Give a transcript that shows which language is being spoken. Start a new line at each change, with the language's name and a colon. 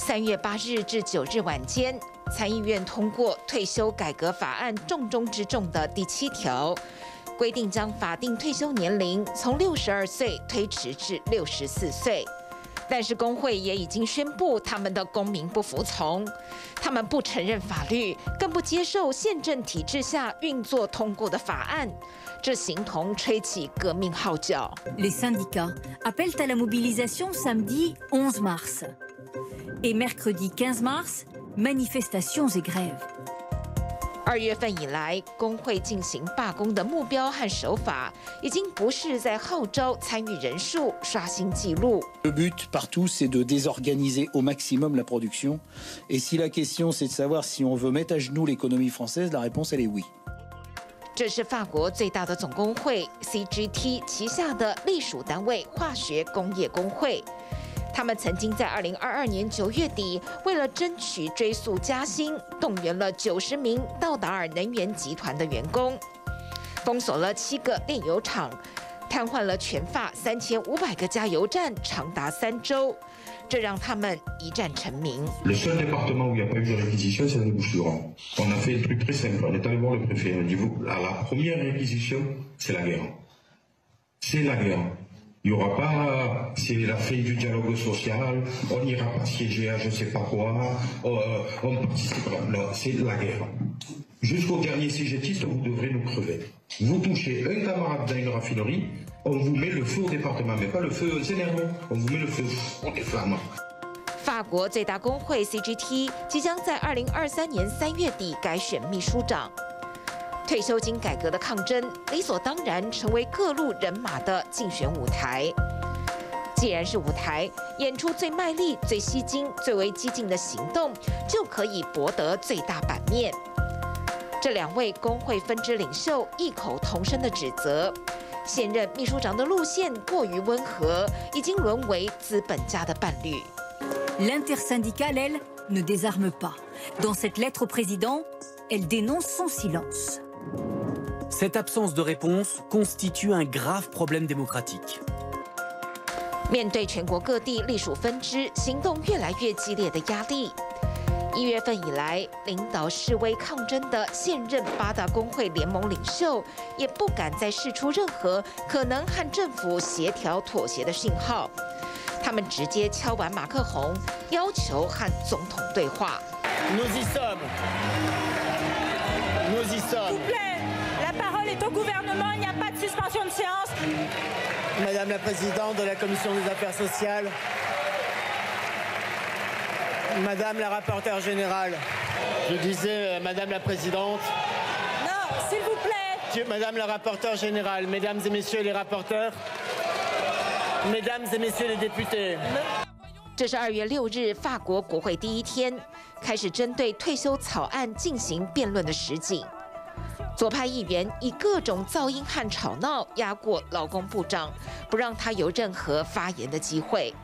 Chinese: 3月8日至9日晚间，参议院通过退休改革法案重中之重的第7条，规定将法定退休年龄从62岁推迟至64岁。但是工会也已经宣布他们的公民不服从，他们不承认法律，更不接受宪政体制下运作通过的法案，这形同吹起革命号角。
French: Les syndicats appellent à la mobilisation samedi 11 mars et mercredi 15 mars manifestations et grèves。
Chinese: 二月份以来，工会进行罢工的目标和手法，已经不是在号召参与人数刷新记录。
French: Le but partout c'est de désorganiser au maximum la production. Et si la question c'est de savoir si on veut mettre à genoux l'économie française, la réponse elle est oui.
Chinese: 这是法国最大的总工会 CGT 旗下的隶属单位化学工业工会，他们曾经在2022年9月底为了争取追溯加薪，动员了90名道达尔能源集团的员工，封锁了7个炼油厂，瘫痪了全法3500个加油站长达3周，这让他们一战成名。
French: Le seul département où il n'y a pas eu de réquisition, c'est les Bouches-du-Rhône. On a fait un truc très simple. On est allé voir le préfet. On a dit, à la première réquisition, c'est la guerre. C'est la guerre. Il n'y aura pas, c'est la fin du dialogue social. On n'ira pas siéger à je ne sais pas quoi. On participera. Non, c'est la guerre. Jusqu'au dernier cégétiste, vous devrez nous crever. Vous touchez un camarade dans une raffinerie. On vous met le feu au département, mais pas le feu général. On vous met le feu aux flammes.
Chinese: 法国最大工会 CGT 即将在2023年3月底改选秘书长。退休金改革的抗争理所当然成为各路人马的竞选舞台。既然是舞台，演出最卖力、最吸睛、最为激进的行动，就可以博得最大版面。这两位工会分支领袖异口同声的指责，现任秘书长的路线过于温和，已经沦为资本家的伴侣。
French: L'intersyndicale, elle, ne désarme pas. Dans cette lettre au président, elle dénonce son silence. Cette absence de réponse constitue un grave problème démocratique.
Chinese: 面对全国各地隶属分支行动越来越激烈的压力。一月份以来，领导示威抗争的现任八大工会联盟领袖也不敢再释出任何可能和政府协调妥协的信号。他们直接敲完马克宏，要求和总统对话。
French: Nous y sommes. Nous y sommes. S'il vous plaît, la parole est au gouvernement. Il n'y a pas de suspension de séance. Madame la présidente de la commission des affaires sociales. Madame la rapporteure générale, je disais, Madame la présidente. Non, s'il vous plaît. Madame la rapporteure générale, mesdames et messieurs les rapporteurs, mesdames et messieurs les députés.
Chinese: 这是二月六日法国国会第一天，开始针对退休草案进行辩论的实景。左派议员以各种噪音和吵闹压过劳工部长，不让他有任何发言的机会。